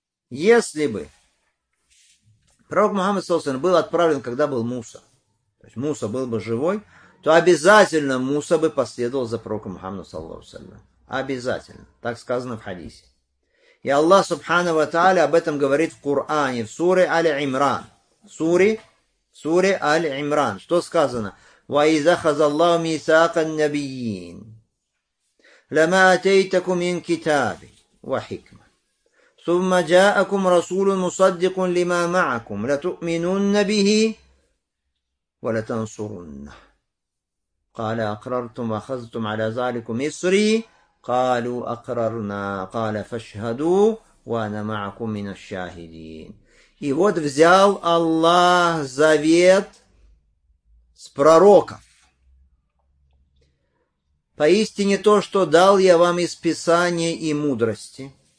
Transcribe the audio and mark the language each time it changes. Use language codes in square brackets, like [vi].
[ru] Если бы пророк Мухаммад саллаллаху алейхи вассалям был отправлен, когда был Муса, то есть Муса был бы живой, то обязательно Муса бы последовал за пророком Мухаммадом саллаллаху алейхи вассалям. Обязательно. Так сказано в хадисе. И Аллах субхана ва тааля об этом говорит в Коране, в суре Аль-Имран. В суре Аль-Имран. Что сказано? [ar] «Ва изахаза Аллаху мисака ан-набиин». لَمَا أَتَيْتَكُمْ مِنْ كِتَابٍ وَحِكْمَةٍ ثُمَّ جَاءَكُمْ رَسُولٌ مُصَدِّقٌ لِمَا مَعَكُمْ لَتُؤْمِنُنَّ بِهِ وَلَتَنْصُرُنَّهُ قَالَ أَقْرَرْتُمْ وَأَخَذْتُمْ عَلَى ذَلِكُمْ إِصْرِي قَالُوا أَقْرَرْنَا قَالَ فَاشْهَدُوا وَأَنَا مَعَكُمْ مِنَ الشَّاهِدِينَ. [ru] И вот взял Аллах завет с пророка. Поистине то, что дал я вам из Писания и мудрости.